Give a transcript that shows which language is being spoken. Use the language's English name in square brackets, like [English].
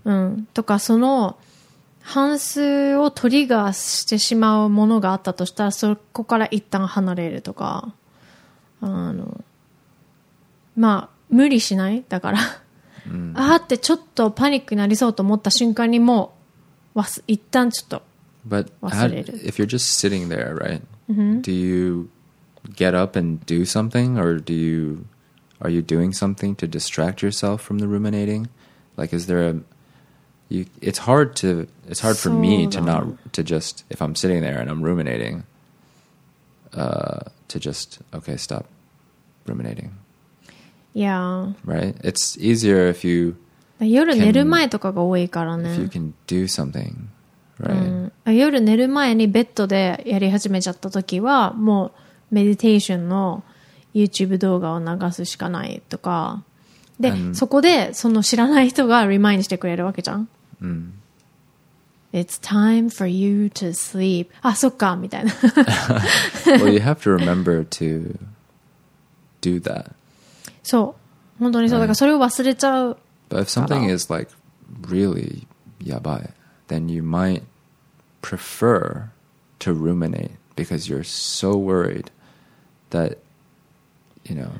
[Japanese] うん、とかその反芻をトリガーしてしまうものがあったとしたらそこから一旦離れるとか、まあ無理しないだから、うん、あーってちょっとパニックになりそうと思った瞬間にもう一旦ちょっと忘れる。 [English] But if you're just sitting there, right? Do you get up and do something? Or do you, are you doing something to distract yourself from the ruminating? Like is there a you, it's hard for me to not to just if I'm sitting there and I'm ruminating to just okay stop ruminating. Yeah. Right? It's easier if you [Japanese] 夜寝る前とかが多いからね。 [English] If you can do something, right?、 [Japanese] 夜寝る前にベッドでやり始めちゃった時はもうメディテーションの YouTube 動画を流すしかないとかで、そこでその知らない人がリマインしてくれるわけじゃん。 [English] It's time for you to sleep. [Japanese] あ、そっかみたいな。 [English] Well, you have to remember to do that. [Japanese] そう、本当にそう、だからそれを忘れちゃう。 [English] But if something is like really やばい then you might prefer to ruminate because you're so worried that you know、you feel、